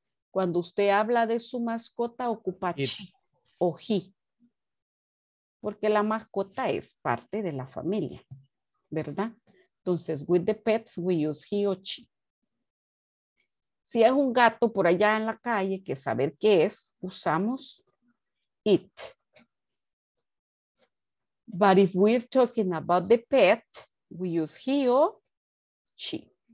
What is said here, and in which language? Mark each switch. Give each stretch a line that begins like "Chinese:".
Spanish: Cuando usted habla de su mascota, ocupa it. She o he. Porque la mascota es parte de la familia, ¿verdad? Entonces,
English: with the pets, we use he o she.
Spanish: Si es un gato por allá en la calle que saber qué es, usamos it.
English: But if we're talking about the pet, we use he o she.